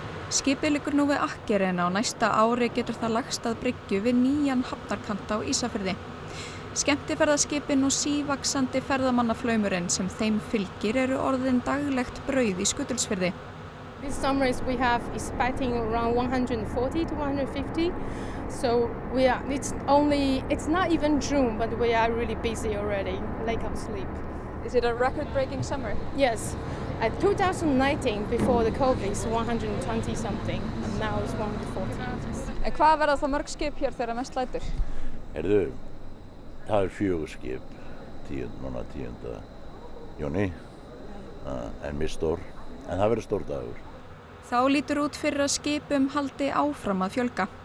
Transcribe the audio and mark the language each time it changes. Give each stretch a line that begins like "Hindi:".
Icelandic: Skipið liggur nú við Akkeri en á næsta ári getur það lagst að bryggju við nýjan hafnarkant á Ísafjörði. Skemmtiferðaskipin og sívaxandi ferðamannaflaumurinn sem þeim fylgir eru orðin daglegt brauð í Skutulsfirði.
English: This summer we have expecting around 140 to 150. So it's not even June but we are really busy already. Lack of sleep. Is it a record-breaking summer? Yes. At 2019 before the COVID is 120 something and now it's 140.
Icelandic: En hvað verða þá mörg skip hér þegar mest lætur? Það fjögur skip, núna 10. júní, en mjög stór, en það verður stór dagur. Þá lítur út fyrir að skipum haldi áfram að fjölga.